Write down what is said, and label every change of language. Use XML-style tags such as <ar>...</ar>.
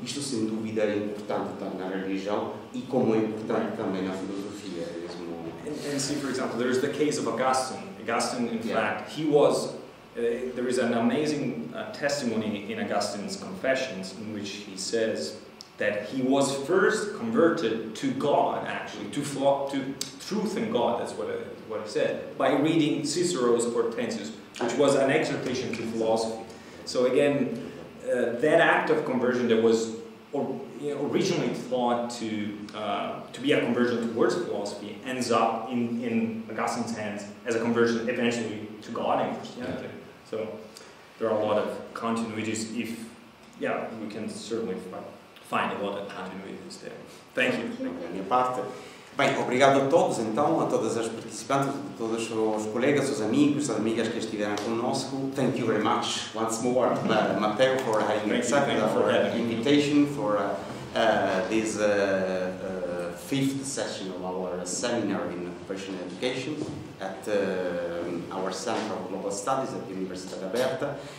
<pt>Isto sem dúvida é importante também na religião e como é importante também na filosofia.</pt> <en>And see, for example, there is the case of Augustine. Augustine, in fact, he was. There is an amazing testimony in Augustine's Confessions in which he says that he was first converted to God, actually, to truth and God, that's what I said, by reading Cicero's Hortensius, which was an exhortation to philosophy. So again, that act of conversion that was originally thought to be a conversion towards philosophy ends up in Augustine's hands as a conversion eventually to God in Christianity. Yeah. So there are a lot of continuities we can certainly find a lot of continuities there. Thank you.</en> <pt>Bem, obrigado a todos, então, a todas as participantes, a todos os colegas, os amigos, as amigas que estiveram conosco.</pt> <en>Thank you very much, once more, Matteo, for having accepted our invitation for this fifth session of our seminar in professional education at our Center of Global Studies at the Università di Aberta.</en>